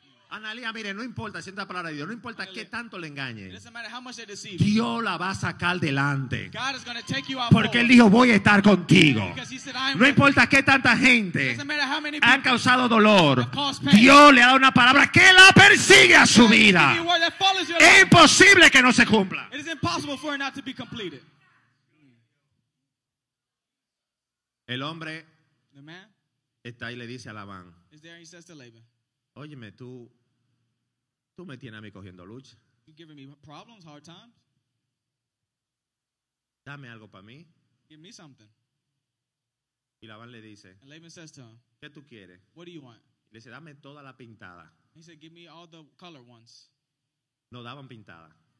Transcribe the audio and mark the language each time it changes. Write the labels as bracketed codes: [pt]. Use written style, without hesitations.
[es] Analía, mire, no importa si esta palabra de Dios, no importa qué tanto le engañe. [en] It doesn't matter how much they deceive you. [es] Dios la va a sacar delante. [en] God is going to take you out. [es] Porque él dijo, voy a estar contigo. [en] Because he said, [es] no importa qué tanta gente ha causado dolor. [en] Pain. [es] Dios le ha dado una palabra que la persigue a su vida. Es imposible que no se cumpla. [en] It is impossible for it not to be completed. [es] El hombre, [en] the man, [es] está ahí y le dice a Labán. [en] Is there, he says to Laban. [es] Óyeme, tú me tienes a mí cogiendo lucha. [en] You're giving me problems, hard times. [es] Dame algo para mí. [en] Give me something. [es] Y Labán le dice. [en] And Laban says to him. [es] ¿Qué tú quieres? [en] What do you want? [es] Y le dice, dame toda la pintada. [en] He said, give me all the color ones. [es] No daban pintada.